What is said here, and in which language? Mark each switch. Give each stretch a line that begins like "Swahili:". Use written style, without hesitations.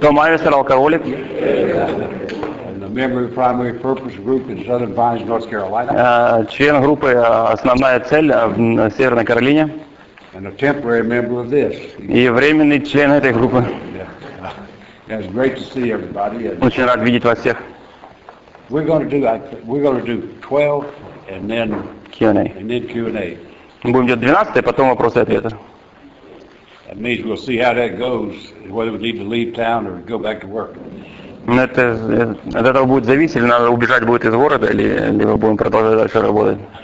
Russian: Tom Ivester, алкоголик.
English: Member of the primary purpose group in Southern Pines, North Carolina.
Russian: Член группы «Основная цель» в Северной Каролине.
English: And a temporary member of this.
Russian: И временный член этой группы.
English: Yeah. It's great to see everybody.
Russian: Очень рад видеть вас всех.
English: We're going to do 12 and then Q&A. And then Q&A.
Russian: Будем делать 12, потом вопросы и ответы.
English: That means we'll see how that goes, whether we need to leave town or go back to work.
Russian: От этого будет зависеть, надо убежать будет из города, либо будем продолжать дальше работать.